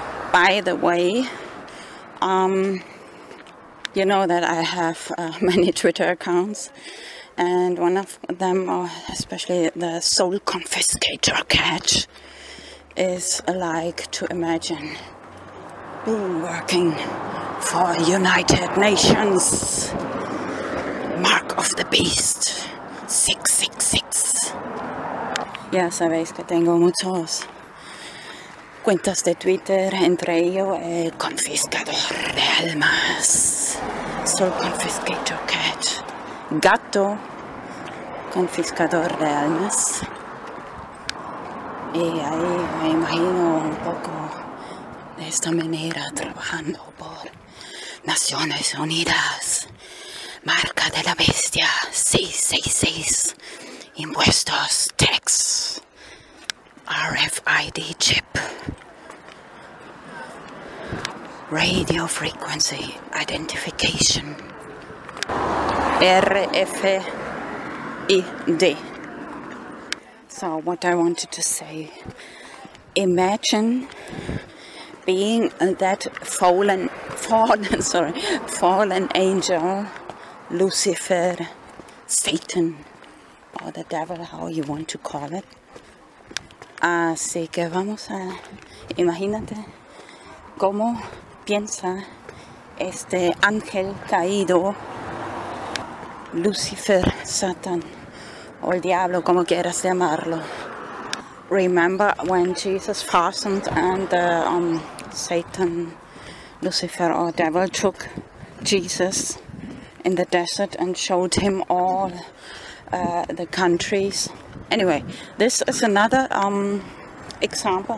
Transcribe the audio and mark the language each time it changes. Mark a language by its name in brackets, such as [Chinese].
[English] By the way, you know that I have many Twitter accounts, and one of them, especially the Soul Confiscator Cat, is like to imagine being working for United Nations, Mark of the Beast, 666. [Spanish] Ya sabéis que tengo muchos cuentas de Twitter, entre ellos el confiscador de almas, Soul Confiscator Cat, gato confiscador de almas. Y ahí me imagino un poco de esta manera trabajando por Naciones Unidas, marca de la bestia, 666, impuestos, tax, RFID chip, [English] radio frequency identification, [Spanish] RFID. [English] So what I wanted to say, imagine being that fallen angel, Lucifer, Satan, or the devil, how you want to call it. [Spanish] Así que vamos a, imagínate cómo piensa este ángel caído, Lucifer, Satan, o el diablo, como quieras llamarlo. [English] Remember when Jesus fastened and Satan, Lucifer, or devil took Jesus in the desert and showed him all the countries. Anyway, this is another example.